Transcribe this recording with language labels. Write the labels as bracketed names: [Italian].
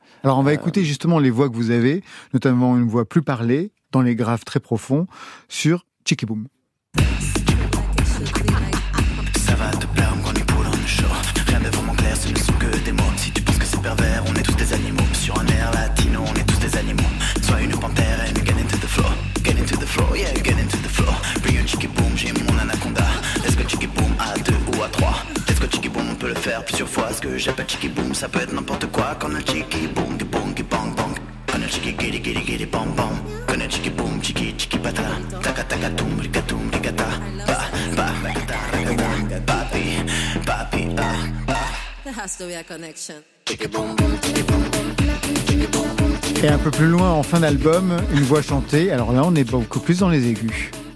[French] Alors on va écouter justement les voix que vous avez, notamment une voix plus parlée, dans les graves très profonds, sur Cheeky Boom. Ça va te plaire, on est pour un show. Rien de vraiment clair, ce ne sont que des mots. Si tu penses que c'est pervers, on est tous des animaux. Sur un air latino, on est tous des animaux. Sois une panthère, [English] and get into the flow. Get into the flow, yeah, get into the flow. Bring your Cheeky Boom, [French] j'ai mon anaconda. Est-ce que Cheeky Boom à deux ou à trois? Cheeky boom, on peut le faire plusieurs fois. Ce que j'appelle cheeky boom, ça peut être n'importe quoi. Quand un cheeky boom, qui boom, qui bang bang. Quand un cheeky giri giri giri bam bam. Quand un cheeky boom, cheeky cheeky bata. Taka taka tum, rika tum, rika ta. Ba ba ba ba ba ba ba ba ba ba ba ba ba ba. [English] There has to be a connection. Cheeky boom, cheeky boom. [French] Et un peu plus loin, en fin d'album, une voix chantée. Alors là, on est beaucoup plus dans les aigus.